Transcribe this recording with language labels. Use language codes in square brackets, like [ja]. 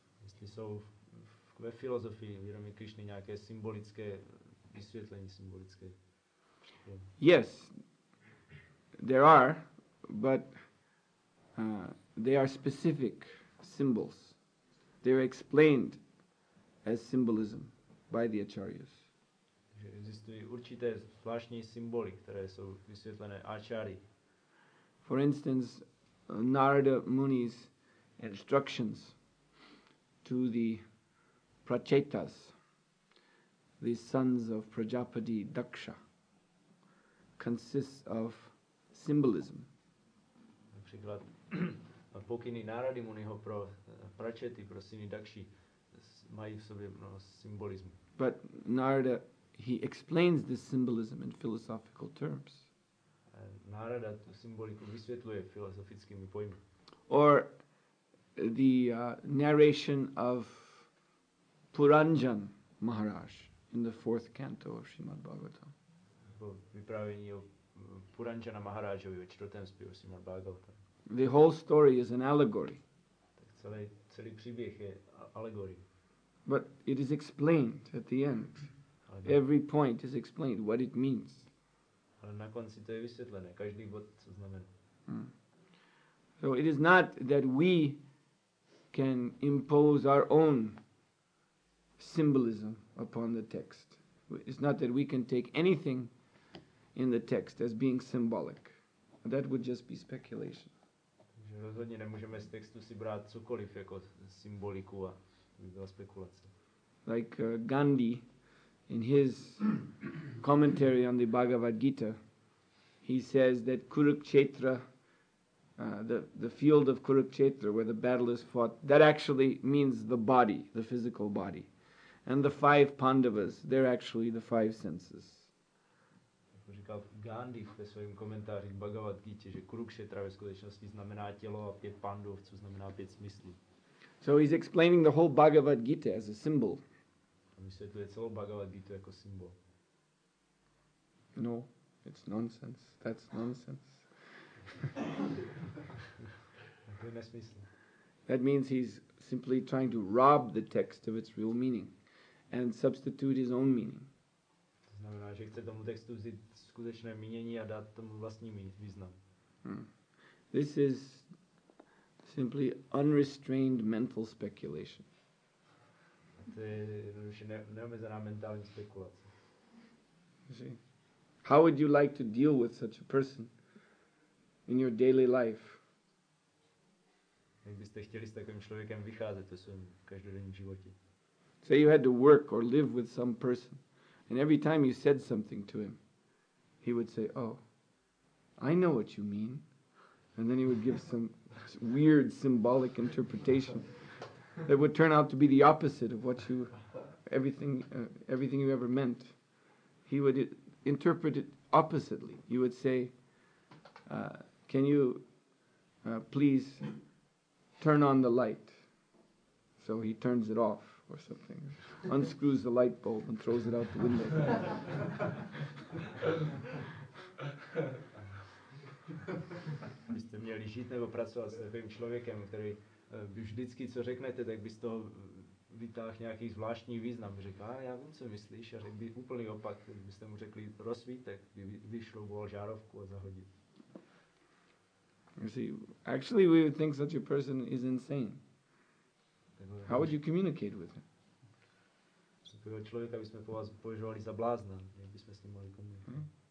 [cs] Jestli jsou ve filozofii vědomí Krishny nějaké symbolické vysvětlení, symbolické. [en] Yes, there are, but they are specific symbols. They are explained as symbolism by the acharyas. [cs] Existují určité zvláštní symboly, které jsou vysvětlené áčary. [en] For instance, Narada Muni's instructions to the Prachetas, the sons of Prajapati Daksha, consists of symbolism. [cs] Například pokyny Narady Muniho pro Prachety, pro syny Dakši, mají v sobě mnoho symbolismu. [en] But Narada, he explains this symbolism in philosophical terms. [cs] Narada tu symboliku vysvětluje filozofickými pojmy. [en] Or the narration of Puranjan Maharaj in the fourth canto of Srimad Bhagavatam. [cs] Vyprávění o Puranjana Maharajovi ve čtvrtém zpěvu Srimad Bhagavatam. [en] The whole story is an allegory. [cs] Tak celý příběh je allegory. [en] But it is explained at the end. Every point is explained what it means. [cs] Ale na konci to je vysvětlené, každý bod, co znamená. Mm. [en] So it is not that we can impose our own symbolism upon the text. It's not that we can take anything in the text as being symbolic. That would just be speculation. [cs] Takže rozhodně nemůžeme z textu si brát cokoliv jako symboliku a by byla spekulace. [en] Like Gandhi In his commentary on the Bhagavad Gita, he says that Kurukshetra, the field of Kurukshetra, where the battle is fought, that actually means the body, the physical body. And the five Pandavas, they're actually the five senses. [cs] Říkal Gandhi ve svém komentáři k Bhagavad Gita, že Kurukshetra ve skutečnosti znamená tělo a pět Pandavců znamená pět smyslů. [en] So he's explaining the whole Bhagavad Gita as a symbol. [cs] Vysvětluje celou Bhagavad Gita jako symbol. [en] No, it's nonsense. That's nonsense. [cs] To je nesmysl. [en] That means he's simply trying to rob the text of its real meaning and substitute his own meaning. [cs] To znamená, že chce tomu textu vzít skutečné mínění a dát tomu vlastní význam. [en] This is simply unrestrained mental speculation. [cs] To je jednoduše neomezená mentální spekulace. [en] See? How would you like to deal with such a person in your daily life? [cs] Jak byste chtěli s takovým člověkem vycházet ve svém každodenním životě? [en] Say you had to work or live with some person, and every time you said something to him, he would say, oh, I know what you mean. And then he would give some weird symbolic interpretation that would turn out to be the opposite of what you, everything you ever meant. He would interpret it oppositely. You would say, can you please turn on the light? So he turns it off or something, unscrews the light bulb and throws it out the window. [cs] Byste měli žít nebo pracovat s takovým člověkem, který by vždycky, co řeknete, tak by z toho vytáhl nějaký zvláštní význam. Řekl, já vím, co myslíš, a řekl by úplný opak, byste mu řekli rozsvítek, by vyšloubol žárovku a zahodit. [en] You see, actually we would think such a person is insane. How would you communicate with him? [cs] Takového člověka bychom po vás považovali za blázna, jak bychom s ním mohli komunikovat.